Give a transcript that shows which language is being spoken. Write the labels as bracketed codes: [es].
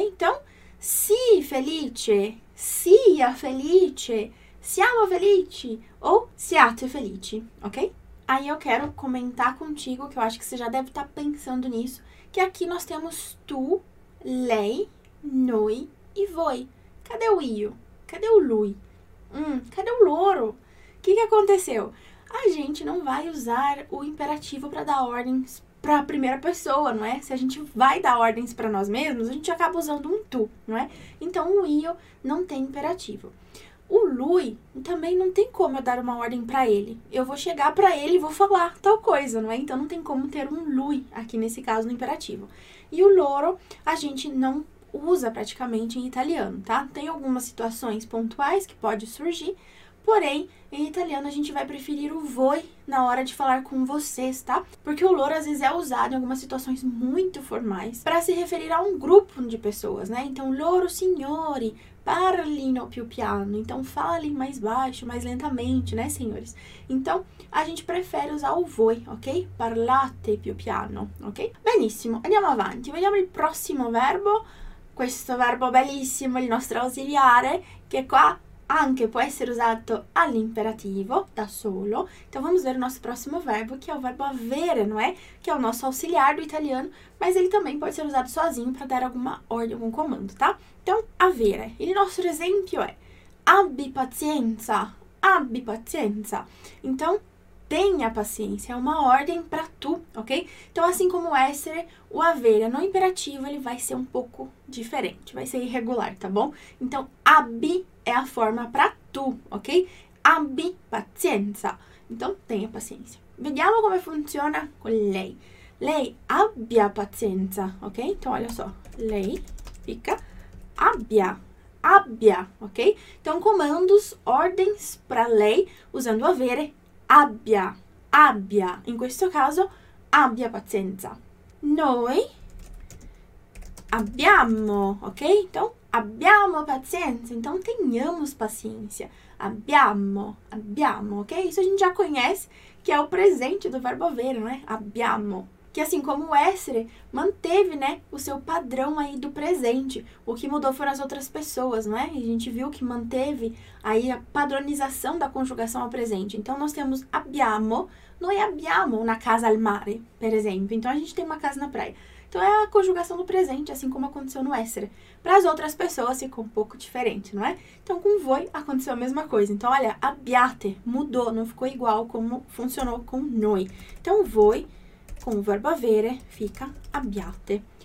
[pt] Então, si felice, sia felice, siamo felici ou siate felici, ok? Aí eu quero comentar contigo, que eu acho que você já deve estar pensando nisso, que aqui nós temos tu, lei, noi e voi. Cadê o io? Cadê o lui? Cadê o loro? Que aconteceu? A gente não vai usar o imperativo para dar ordens para a primeira pessoa, não é? Se a gente vai dar ordens para nós mesmos, a gente acaba usando um tu, não é? Então, o io não tem imperativo. O lui também não tem como eu dar uma ordem para ele. Eu vou chegar para ele e vou falar tal coisa, não é? Então, não tem como ter um lui aqui nesse caso no imperativo. E o loro a gente não usa praticamente em italiano, tá? Tem algumas situações pontuais que pode surgir. Porém, em italiano a gente vai preferir o voi na hora de falar com vocês, tá? Porque o loro às vezes é usado em algumas situações muito formais para se referir a um grupo de pessoas, né? Então, [it] loro signori, parlino più piano. [pt] Então, fale mais baixo, mais lentamente, né, senhores? Então, a gente prefere usar o voi, ok? [it] Parlate più piano, ok? Benissimo, andiamo avanti. Vediamo il prossimo verbo. Questo verbo bellissimo, il nostro ausiliare, che qua anche può essere usato all'imperativo, da solo. [pt] Então, vamos ver o nosso próximo verbo, que é o verbo avere, não é? Que é o nosso auxiliar do italiano, mas ele também pode ser usado sozinho para dar alguma ordem, algum comando, tá? Então, avere. [it] Il nostro esempio è abbi pazienza, abbi pazienza. [pt] Então, tenha paciência, é uma ordem para tu, ok? Então, assim como essere, o avere no imperativo, ele vai ser um pouco diferente, vai ser irregular, tá bom? Então, abbi é a forma para tu, ok? Abbi pazienza. Então, tenha paciência. [it] Vediamo come funziona con lei. Lei abbia pazienza, [pt] ok? Então, olha só. Lei fica abbia. Abbia, ok? Então, comandos, ordens para lei, usando avere. [it] Abbia, abbia, in questo caso abbia pazienza. Noi abbiamo, ok? [pt] Então abbiamo pazienza, então tenhamos paciência. Abbiamo, abbiamo, ok? Isso a gente já conhece, que é o presente do verbo avere, não é? Abbiamo. que assim como o Esther manteve, né, o seu padrão aí do presente. O que mudou foram as outras pessoas, não é? A gente viu que manteve aí a padronização da conjugação ao presente. Então, nós temos abbiamo, [it] noi abbiamo una casa al mare, per esempio. [pt] Então, a gente tem uma casa na praia. Então, é a conjugação do presente, assim como aconteceu no Esther. Para as outras pessoas, ficou um pouco diferente, não é? Então, com voi, aconteceu a mesma coisa. Então, olha, abbiate mudou, não ficou igual como funcionou com noi. Então, voi, com o verbo avere, fica abbiate.